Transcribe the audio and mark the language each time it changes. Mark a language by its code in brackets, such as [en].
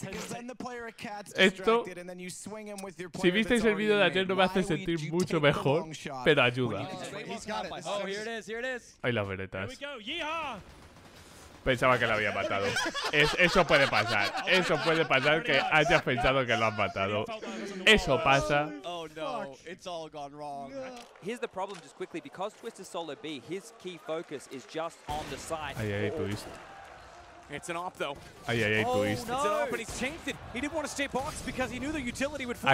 [en] Because then the player of cats distracted and then you swing him with your player. [es] Si visteis el vídeo de ayer no me hace sentir mucho mejor, pero ayuda. [en] Oh, here it is. Here it is. [es] Ahí las veretas. Pensaba que la había matado. Eso puede pasar. Eso puede pasar que hayas pensado que lo has matado. Eso pasa. [en] Oh no, it's all gone wrong. Here's the problem, just quickly, because Twist is solo B, his key focus is just on the side. Ay, ay, Twist. It's an op though. Ay, ay, ay, Twist. It's an op, but he's changed it. He didn't want to stay boxed because he knew the utility would force.